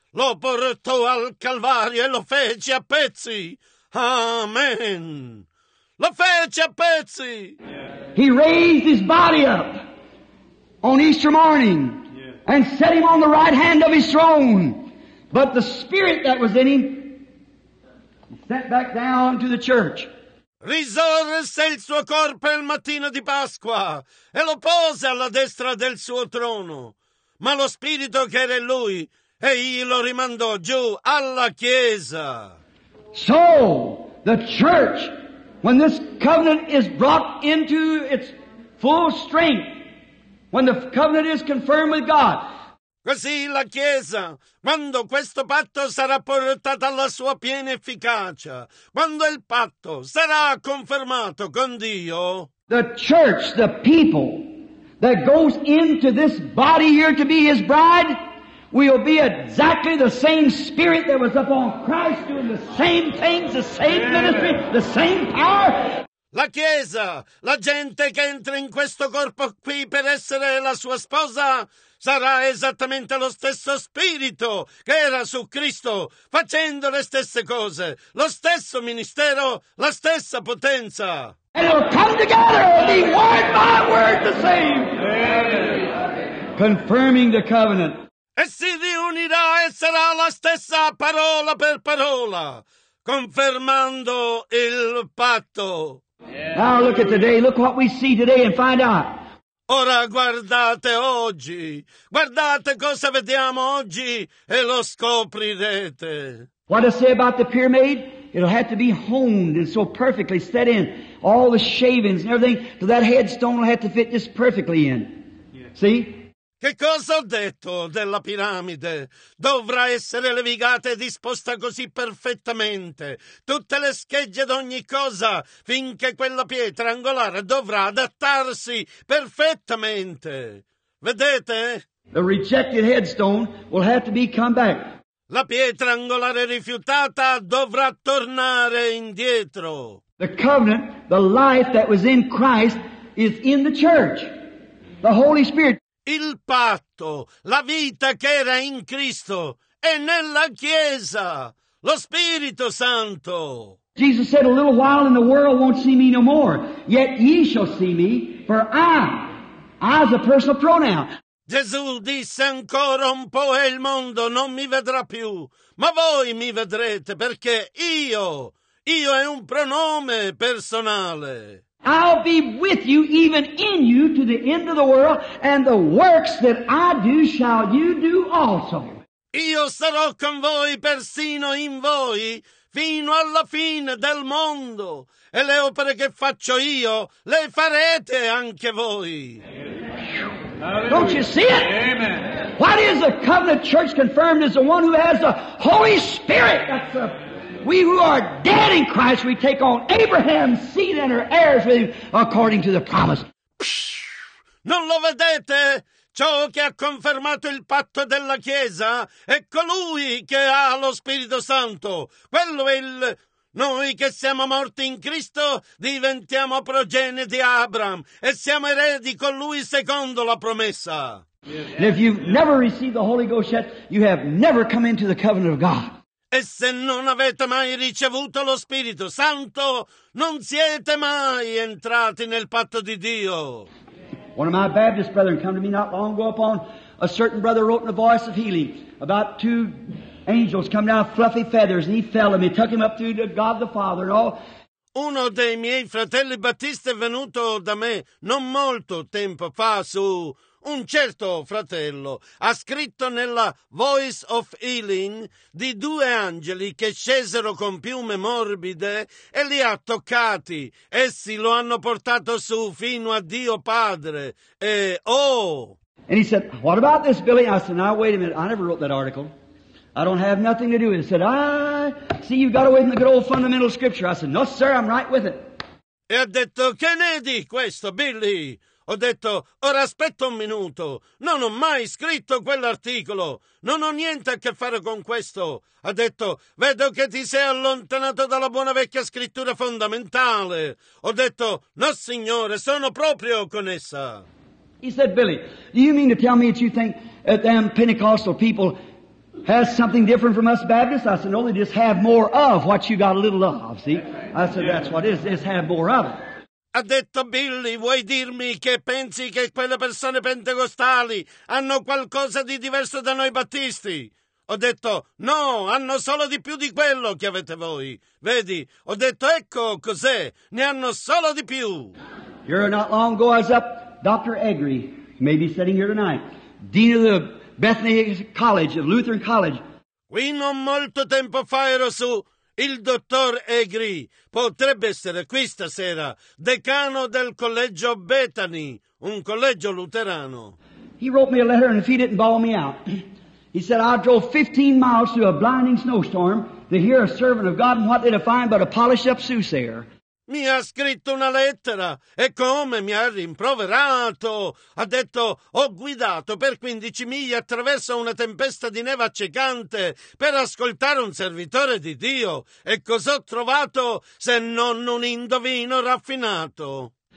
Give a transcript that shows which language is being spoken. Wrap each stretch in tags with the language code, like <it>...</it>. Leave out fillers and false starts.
<it>Lo portò al Calvario e lo fece a pezzi. Amen. Lo fece a pezzi.</it> <en>He raised his body up on Easter morning and set him on the right hand of his throne. But the spirit that was in him sat back down to the church.</en> <it>Risorse il suo corpo il mattino di Pasqua e lo pose alla destra del suo trono. Ma lo spirito che era in lui, e egli lo rimandò giù alla chiesa.</it> <en>So, the church, when this covenant is brought into its full strength, when the covenant is confirmed with God.</en> <it>Così la Chiesa, quando questo patto sarà portato alla sua piena efficacia, quando il patto sarà confermato con Dio.</it> <en>The church, the people that goes into this body here to be his bride, will be exactly the same spirit that was upon Christ doing the same things, the same ministry, the same power.</en> <it>La Chiesa, la gente che entra in questo corpo qui per essere la sua sposa, sarà esattamente lo stesso spirito che era su Cristo, facendo le stesse cose, lo stesso ministero, la stessa potenza.</it> <en>And it'll come together and be word by word the same. Confirming the covenant.</en> <it>E si riunirà e sarà la stessa parola per parola, confermando il patto.</it> <en>Now look at today, look what we see today and find out.</en> <it>Ora guardate oggi, guardate cosa vediamo oggi e lo scoprirete.</it> <en>What I say about the pyramid, it'll have to be honed and so perfectly set in. All the shavings and everything, so that headstone will have to fit just perfectly in. See?</en> <it>Che cosa ho detto della piramide? Dovrà essere levigata e disposta così perfettamente. Tutte le schegge d'ogni cosa, finché quella pietra angolare dovrà adattarsi perfettamente. Vedete?</it> <en>The rejected headstone will have to be come back.</en> <it>La pietra angolare rifiutata dovrà tornare indietro.</it> <en>The covenant, the life that was in Christ, is in the church. The Holy Spirit.</en> <it>Il patto, la vita che era in Cristo è nella Chiesa, lo Spirito Santo.</it> <en>Jesus said, a little while and the world won't see me no more, yet ye shall see me, for I is a personal pronoun.</en> <it>Gesù disse, ancora un po' e il mondo non mi vedrà più, ma voi mi vedrete, perché io è un pronome personale.</it> <en>I'll be with you, even in you, to the end of the world, and the works that I do shall you do also.</en> <it>Io sarò con voi persino in voi, fino alla fine del mondo, e le opere che faccio io le farete anche voi.</it> <en>Don't you see it? Amen. What is the covenant church confirmed is the one who has the Holy Spirit. That's the We who are dead in Christ, we take on Abraham's seed and her heirs with him according to the promise.</en> <it>Non lo vedete? Ciò che ha confermato il patto della Chiesa è colui che ha lo Spirito Santo. Quello è il... Noi che siamo morti in Cristo diventiamo progenie di Abraham e siamo eredi con lui secondo la promessa.</it> <en>And if you've never received the Holy Ghost yet, you have never come into the covenant of God.</en> <it>E se non avete mai ricevuto lo Spirito Santo, non siete mai entrati nel patto di Dio.</it> <en>One of my Baptist brethren came to me not long ago upon a certain brother wrote in a voice of healing about two angels come down fluffy feathers and he fell and he took him up through to God the Father and all.</en> <it>Uno dei miei fratelli battisti è venuto da me non molto tempo fa su un certo fratello ha scritto nella Voice of Healing di due angeli che scesero con piume morbide e li ha toccati. Essi lo hanno portato su fino a Dio Padre. E oh!</it> <en>And he said, what about this, Billy? I said, now wait a minute, I never wrote that article. I don't have nothing to do with it. He said, see, you've got away from the good old fundamental scripture. I said, no, sir, I'm right with it.</en> <it>E ha detto, che ne di questo, Billy? Ho detto, ora aspetta un minuto, non ho mai scritto quell'articolo, non ho niente a che fare con questo. Ha detto, vedo che ti sei allontanato dalla buona vecchia scrittura fondamentale. Ho detto, no signore, sono proprio con essa.</it> <en>He said, Billy, do you mean to tell me that you think that them Pentecostal people has something different from us Baptists? I said, no, they just have more of what you got a little of, see? I said, that's what it is, just have more of it.</en> <it>Ha detto, Billy, vuoi dirmi che pensi che quelle persone pentecostali hanno qualcosa di diverso da noi Battisti? Ho detto, no, hanno solo di più di quello che avete voi. Vedi, ho detto, ecco cos'è, ne hanno solo di più.</it> <en>Here not long ago I was up, Dr. Eggery, maybe sitting here tonight, Dean of the Bethany College, of Lutheran College.</en> <it>Qui non molto tempo fa ero su, il dottor Eggery, potrebbe essere qui stasera, decano del collegio Bethany, un collegio luterano.</it> <en>He wrote me a letter and he didn't bawl me out. He said, I drove 15 miles through a blinding snowstorm to hear a servant of God, and what did I find but a polished-up soothsayer.</en> <it>Mi ha scritto una lettera, e come mi ha rimproverato. Ha detto, ho guidato per 15 miglia attraverso una tempesta di neve accecante per ascoltare un servitore di Dio. E cosa ho trovato se non un indovino raffinato?</it>